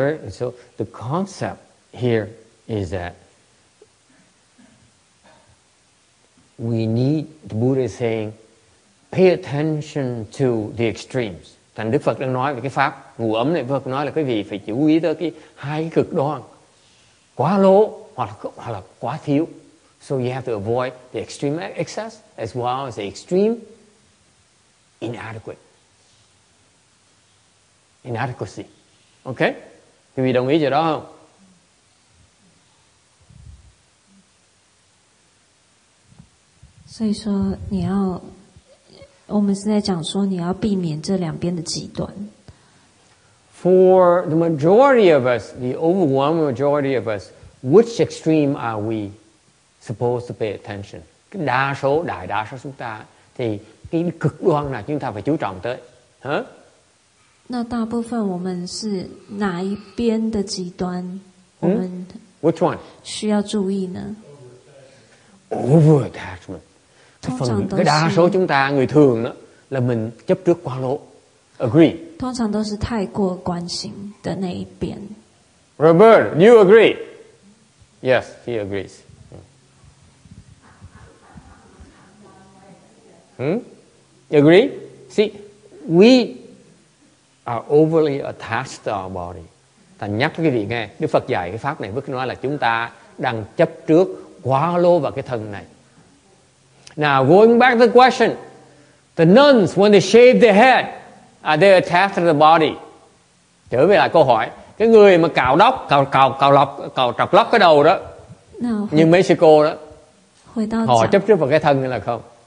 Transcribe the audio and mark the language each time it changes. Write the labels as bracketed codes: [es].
[en] So the concept here is that we need, the Buddha is saying, pay attention to the extremes. [vi] Thành Đức Phật đang nói về cái pháp ngủ ấm này, Phật nói là quý vị phải chú ý tới cái hai cái cực đoan, quá lố hoặc là quá thiếu. [en] So you have to avoid the extreme excess as well as the extreme inadequacy. Okay? [vi] Thì vị đồng ý chỗ đó không? [en] So you say, you need. [zh] 我们是在讲说你要避免这两边的极端. [en] For the majority of us, the overwhelming majority of us, which extreme are we supposed to pay attention? [vi] Đa số, đại đa số chúng ta thì cái cực đoan nào chúng ta phải chú trọng tới? Huh? [zh] 那大部分我们是哪一边的极端? Hmm? 我们需要注意呢? [en] Over-attachment. [vi] Cái đa số chúng ta, người thường đó, là mình chấp trước quá lỗ. [en] Agree. [vi] Thông thường đều là thái quá quan tâm đến cái bên. [en] Robert, do you agree? Yes, he agrees. Agree? See, we are overly attached to our body. [vi] Thành nhắc cái gì nghe, Đức Phật dạy cái pháp này, Đức nói là chúng ta đang chấp trước quá lỗ vào cái thân này. [en] Now, going back to the question, the nuns, when they shave their head, are they attached to the body? [vi] Trở về lại câu hỏi, cái người mà cạo đốc, cạo trọc lóc cái đầu đó, như mấy sư cô đó, họ chấp trước vào cái thân là không?